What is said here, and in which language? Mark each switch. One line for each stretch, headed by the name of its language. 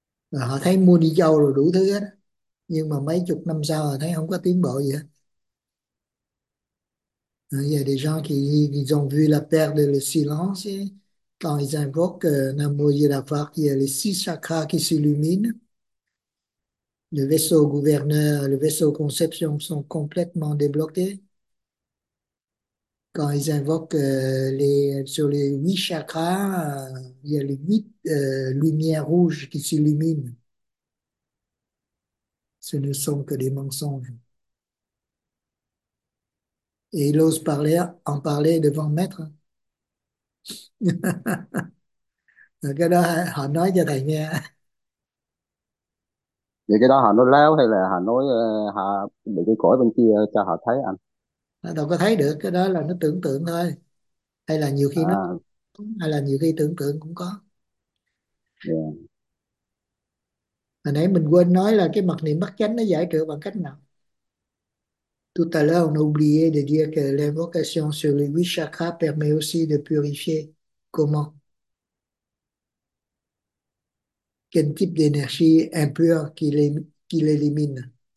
Vietnamese: Rồi họ thấy mua đi châu rồi đủ thứ hết, nhưng mà mấy chục năm sau họ thấy không có tiến bộ gì hết.
French: Il y a des gens qui ont vu la perte de le silence et quand ils invoquent Namo Yirapa, il y a les six chakras qui s'illuminent. Le vaisseau gouverneur, le vaisseau conception sont complètement débloqués. Quand ils invoquent sur les huit chakras, il y a les huit lumières rouges qui s'illuminent. Ce ne sont que des mensonges. Et il ose en parler devant maître.
Vietnamese: Cái đó họ nói cho thầy nghe. Vậy cái đó họ nói láo hay là họ nói họ bị cái cõi bên kia cho họ thấy anh? Nó đâu có thấy được, cái đó là nó tưởng tượng thôi. Hay là nhiều khi nó hay là nhiều khi tưởng tượng cũng có. Hồi nãy mình quên nói là cái mặc niệm bát chánh nó giải trừ bằng cách nào.
French: Tout à l'heure, on a oublié de dire que l'invocation sur les huit chakras permet aussi de purifier. Comment? Quel type d'énergie impure qu'il élimine?